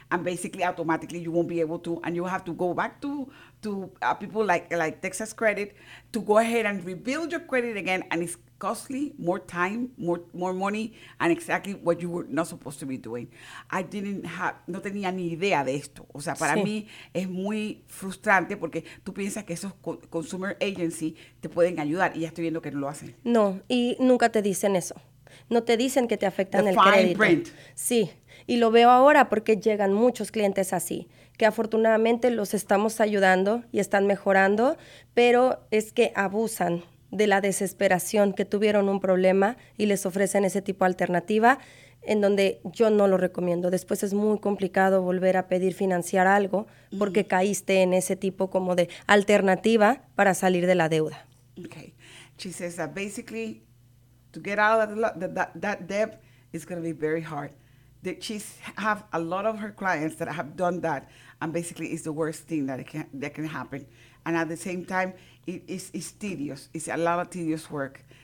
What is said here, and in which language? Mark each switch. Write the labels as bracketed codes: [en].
[en] And basically, automatically, you won't be able to, and you have to go back to people like Texas Credit to go ahead and rebuild your credit again, and it's costly, more time, more money, and exactly what you were not supposed to be doing. I didn't have, [es] no tenía ni idea de esto. O sea, para sí. mí es muy frustrante porque tú piensas que esos consumer agency te pueden ayudar y ya estoy viendo que no lo hacen. No, y nunca te dicen eso. No te dicen que te afectan el crédito. [en] Fine print. [es] Sí, y lo veo ahora porque llegan muchos clientes así, que afortunadamente los estamos ayudando y están mejorando, pero es que abusan de la desesperación que tuvieron un problema y les ofrecen ese tipo de alternativa, en donde yo no lo recomiendo. Después es muy complicado volver a pedir financiar algo porque caíste en ese tipo como de alternativa para salir de la deuda. [en] Okay. She says that basically to get out of that debt is going to be very hard. That she's have a lot of her clients that have done that, and basically it's the worst thing that can happen. And at the same time, it's tedious. It's a lot of tedious work.